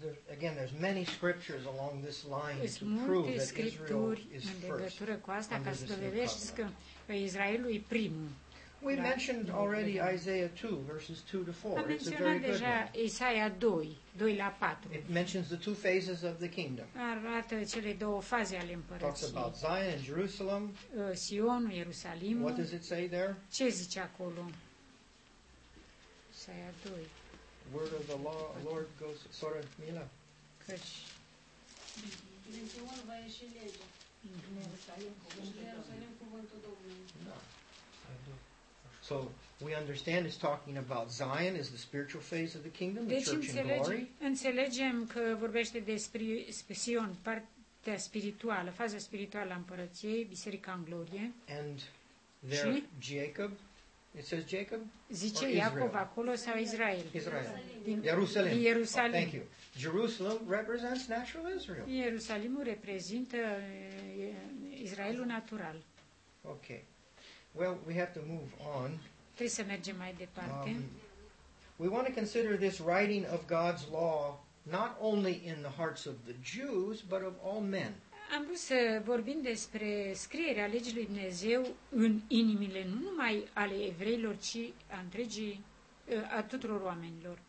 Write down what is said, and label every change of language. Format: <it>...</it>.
<en>Again, there's many scriptures along this line to prove that Israel is first.</en> <ro>Cu asta, ca să dovedești că Israelul e primul.</ro> <en>We mentioned already Isaiah 2, verses 2 to 4. It's a very good</en> <ro>deja</ro> <en>one.</en> <ro>Isaia 2:2-4.</ro> <en>It mentions the two phases of the kingdom.</en> <ro>Arată cele două faze ale împărăției.</ro> <en>Talks about Zion and Jerusalem.</en> <ro>Sionul, Ierusalimul.</ro> <en>What does it say there?</en> <ro>Ce zice acolo? Isaia 2.</ro> <en>Word of the law, Lord goes, sorry, Mila.</en> <ro>Căci. Din Sion va ieși legea. Ierusalim, cuvântul Domnului. Da.</ro> <en>So we understand it's talking about Zion as the spiritual phase of the kingdom,</en> <ro>deci</ro> <en>the church</en> <ro>înțelegem,</ro> <en>in glory.</en> <ro>Înțelegem că vorbește despre Sion, partea spirituală, faza spirituală a împărăției, biserica în glorie.</ro> <en>And there,</en> <ro>și?</ro> <en>Jacob, it says Jacob?</en> <ro>Zice</ro> <en>or</en> <ro>Iacov</ro> <en>Israel?</en> <ro>Acolo sau Israel?</ro> <en>Israel.</en> <ro>Din Ierusalim.</ro> <en>Oh, thank you. Jerusalem represents natural Israel.</en> <ro>Ierusalimul reprezintă Israelul natural.</ro> <en>Okay. Well, we have to move on.</en> <ro>Trebuie să mergem mai departe.</ro> <en>We want to consider this writing of God's law not only in the hearts of the Jews, but of all men.</en> <ro>Am vrut să vorbim despre scrierea legii lui Dumnezeu în inimile nu numai ale evreilor, ci a întregii, a tuturor oamenilor.</ro>